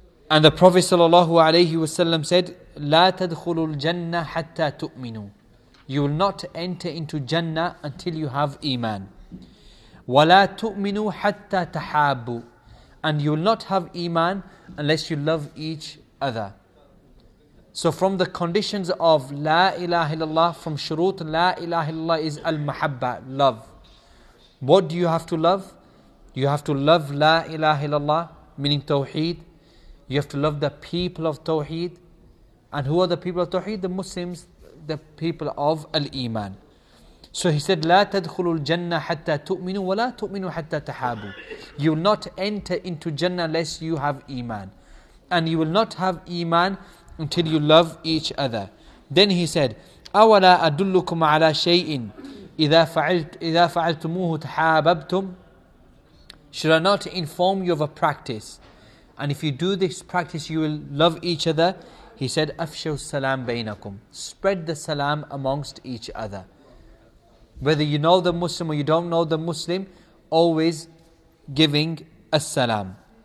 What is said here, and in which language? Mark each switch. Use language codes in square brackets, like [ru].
[en] And the Prophet sallallahu alayhi wasallam said, [ar] لا تدخلوا الجنة حتى تؤمنوا, [en] you will not enter into Jannah until you have Iman. [ar] ولا تؤمنوا حتى تحابوا, [en] and you will not have Iman unless you love each other. So from the conditions of [ar] لا إله إلا الله, [en] from [ar] شروط لا إله إلا الله, [en] is المحبة, love. What do you have to love? You have to love [ar] لا إله إلا الله, [en] meaning Tawheed. You have to love the people of Tawheed. And who are the people of Tawheed? The Muslims, the people of Al-Iman. So he said, [ar] لا تدخلوا الجنة حتى تؤمنوا ولا تؤمنوا حتى تحابوا. [en] You will not enter into Jannah unless you have Iman. And you will not have Iman until you love each other. Then he said, [ar] أولا أدلكم على شيء إذا فعلتموه تحاببتم. [en] Should I not inform you of a practice? And if you do this practice, you will love each other. He said, [ar] أَفْشَوْ السَّلَامْ بَيْنَكُمْ, [en] spread the salam amongst each other. Whether you know the Muslim or you don't know the Muslim, always giving a salam.